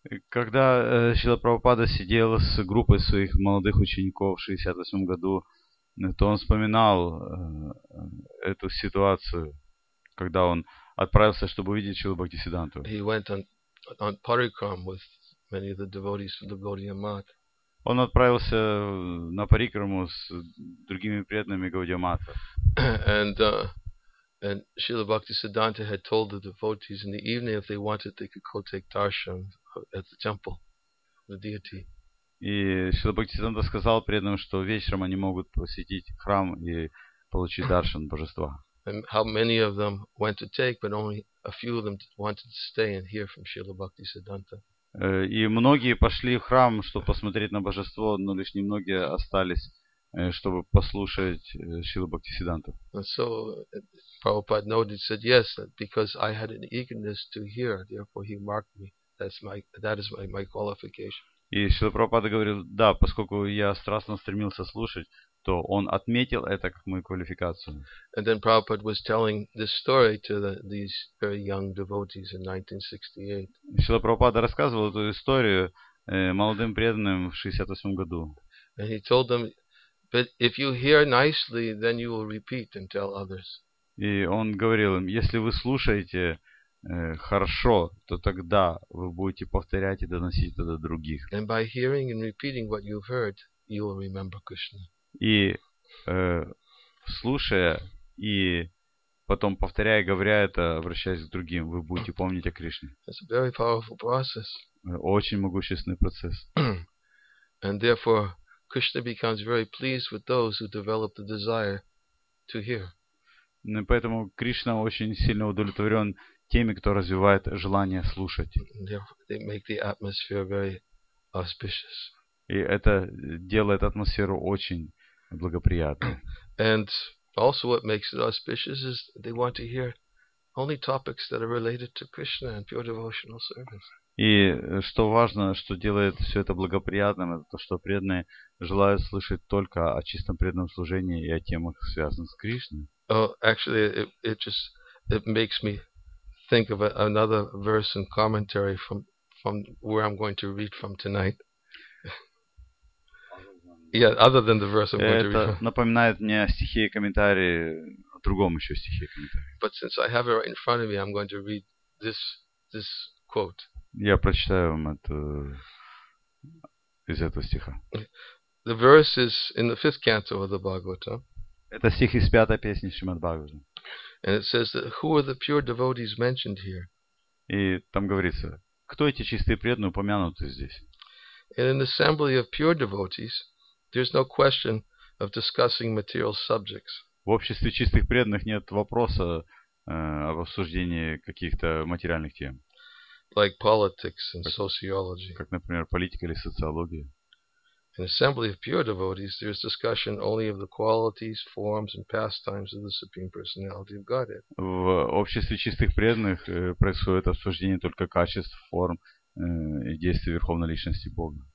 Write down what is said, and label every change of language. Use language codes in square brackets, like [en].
[ru] Когда Шрила Прабхупада сидел с группой своих молодых учеников в 68 году, то он вспоминал эту ситуацию, когда он отправился, чтобы увидеть Шрилу Бхактисиддханту. [en] He went on parikram with many of the devotees from the Gaudiya Math. [ru] Он отправился на парикраму с другими преданными Гаудия Матха. [en] And Srila Bhaktisiddhanta had told the devotees in the evening if they wanted they could go take darshan at the temple of the deity. [ru] И Шрила Бхактисиддханта сказал преданным, что вечером они могут посетить храм и получить даршан божества. [en] And how many of them went to take, but only a few of them wanted to stay and hear from Srila Bhaktisiddhanta. [ru] И многие пошли в храм, чтобы посмотреть на божество, но лишь немногие остались, чтобы послушать Шрилу Бхактисиддханту. [en] So Prabhupada noted, said yes, because I had an eagerness to hear, therefore he marked me. That is my qualification. [ru] И Шрила Прабхупада говорил, да, поскольку я страстно стремился слушать, то он отметил это как мою квалификацию. [en] And then Prabhupada was telling this story to these very young devotees in 1968. [ru] Шрила Прабхупада рассказывал эту историю молодым преданным в 68 году. [en] And he told them. But if you hear nicely, then you will repeat and tell others. [ru] И он говорил им, если вы слушаете хорошо, то тогда вы будете повторять и доносить это до других. [en] And by hearing and repeating what you've heard, you will remember Krishna. [ru] И слушая и потом повторяя, говоря это, обращаясь к другим, вы будете помнить о Кришне. [en] It's a very powerful process. [ru] Очень могущественный процесс. [en] And therefore Krishna becomes very pleased with those who develop the desire to hear. [ru] Поэтому Кришна очень сильно удовлетворен теми, кто развивает желание слушать. [en] They make the atmosphere very auspicious. [ru] И это делает атмосферу очень благоприятной. [en] And also what makes it auspicious is they want to hear only topics that are related to Krishna and pure devotional service. [ru] И что важно, что делает все это благоприятным, это то, что преданные желают слышать только о чистом преданном служении и о темах, связанных с Кришной. [en] Oh, actually, it makes me think of another verse and commentary from where I'm going to read from tonight. Yeah, other than the verse I'm going to read from. [ru] Это напоминает мне о стихе и комментарии, о другом еще стихе и комментарии. [en] But since I have it right in front of me, I'm going to read this quote. [ru] Я прочитаю вам это из этого стиха. [en] The verse is in the fifth canto of the Bhagavata. [ru] Это стих из пятой песни Шримад-Бхагаватам. [en] And it says that who are the pure devotees mentioned here? [ru] И там говорится, кто эти чистые преданные упомянуты здесь? [en] In an assembly of pure devotees, there's no question of discussing material subjects. [ru] В обществе чистых преданных нет вопроса об обсуждении каких-то материальных тем. [en] Like politics and sociology. [ru] Как, например, политика или социология. [en] In assembly of pure devotees, there is discussion only of the qualities, forms, and pastimes of the Supreme Personality of Godhead. [ru] В обществе чистых преданных происходит обсуждение только качеств, форм и действий Верховной Личности Бога.